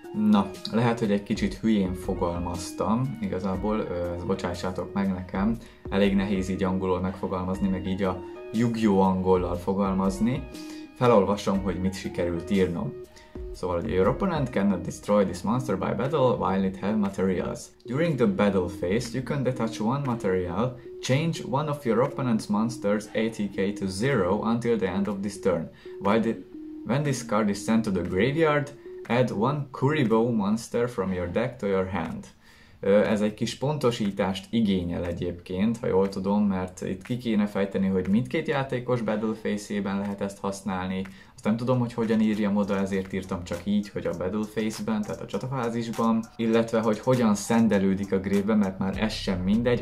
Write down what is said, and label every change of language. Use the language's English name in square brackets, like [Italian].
[Hungarian] Na, lehet, hogy egy kicsit hülyén fogalmaztam, igazából, bocsássátok meg nekem, elég nehéz így angolul megfogalmazni, meg így a Yu-Gi-Oh angollal fogalmazni. Felolvasom, hogy mit sikerült írnom. Szóval, hogy [English] your opponent cannot destroy this monster by battle while it have materials. During the battle phase, you can detach one material, change one of your opponent's monster's ATK to zero until the end of this turn. When this card is sent to the graveyard, add one Kuribo monster from your deck to your hand. [Hungarian] Ez egy kis pontosítást igényel egyébként, ha jól tudom, mert itt ki kéne fejteni, hogy mindkét játékos Battle Face-ében lehet ezt használni. Azt nem tudom, hogy hogyan írjam oda, ezért írtam csak így, hogy a Battle Face-ben, tehát a csatafázisban, illetve hogy hogyan szendelődik a grave-be, mert már ez sem mindegy.